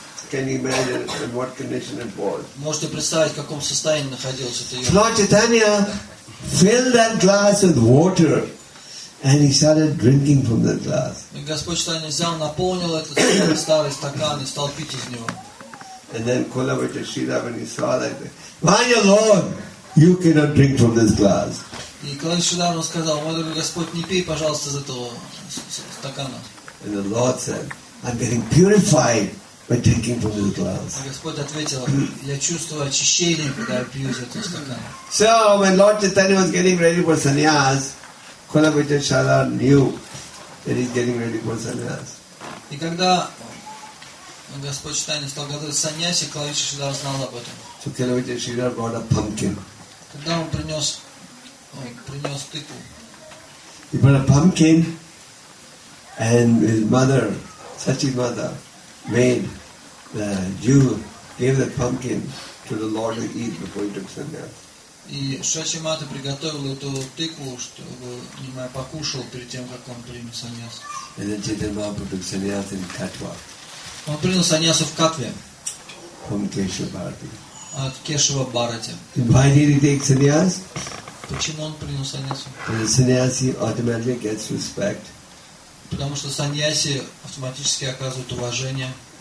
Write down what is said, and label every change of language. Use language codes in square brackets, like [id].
[en] Can you imagine in what condition it was? [ru] Можете представить, в каком состоянии находился этот емкость? [en] Lord Chaitanya filled that glass with water, and he started drinking from that glass. [ru] И Господь Чайтанья взял, наполнил этот старый стакан и стал пить из него. [en] And then Kalavacha Sridhar, when he saw that, "My Lord, you cannot drink from this glass." [ru] И Kalavacha Sridhar сказал, "Мой дорогой Господь, не пей, пожалуйста, из этого стакана." [en] And the Lord said, "I'm getting purified." By drinking from the glass. [ru] Господь ответил, я чувствую очищение, когда я пью из этого стакана. [en] So when Lord Chaitanya was getting ready for sannyas, Kalavacha Sridhar knew that he's getting ready for sannyas. [ru] И когда Господь Чайтанья стал готовить саньяси, Kalavacha Sridhar знал об этом. [en] So Kalavacha Sridhar brought a pumpkin. [ru] Тогда он принес тыкву. [en] He brought a pumpkin, and his mother, Sachi's mother, made the Jew gave the pumpkin to the Lord to eat before he took sannyas. [ru] И Шачи Мата приготовила эту тыкву, чтобы Нимай покушал перед тем, как он принял саньяс. [en] And then Chaitanya Mahaprabhu took sannyas in Katwa. [ru] Он принял саньяс в Катве. [en] From Keshava Bharati. [ru] От Кешава Бхарати. [en] Why did he take sannyas? [ru] Почему он принял саньяс? [en] Because sannyasi automatically gets respect. [ru] Потому что саньяси автоматически оказывают уважение.